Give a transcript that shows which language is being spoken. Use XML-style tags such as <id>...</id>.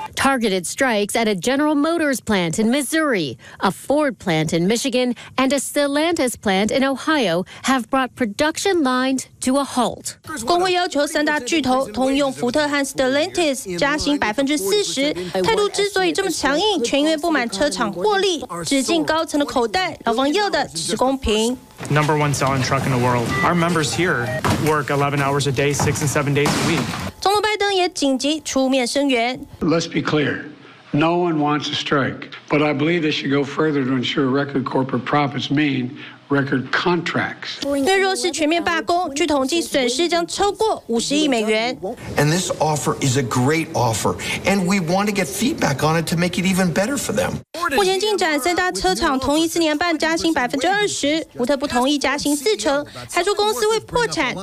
<en>Targeted strikes at a General Motors plant in Missouri, a Ford plant in Michigan, and a Stellantis plant in Ohio have brought production lines to a halt.</en> <zh>工会要求三大巨头通用、福特和 Stellantis 加薪40%。态度之所以这么强硬，全因为不满车厂获利，只进高层的口袋。劳方要的只是公平。</zh> <en>Number one selling truck in the world. Our members here work 11 hours a day, 6 and 7 days a week.</en> <zh>总统拜登也紧急出面声援。</zh> <en>Let's be clear. No one wants a strike. But I believe they should go further to ensure record corporate profits mean record contracts.</en> <zh>但若是全面罢工，据统计损失将超过50亿美元。</zh> <en>And this offer is a great offer. And we want to get feedback on it to make it even better for them.</en> <zh>目前进展，三大车厂同意4.5年加薪20%，福特不同意加薪40%，还说公司会破产。</zh>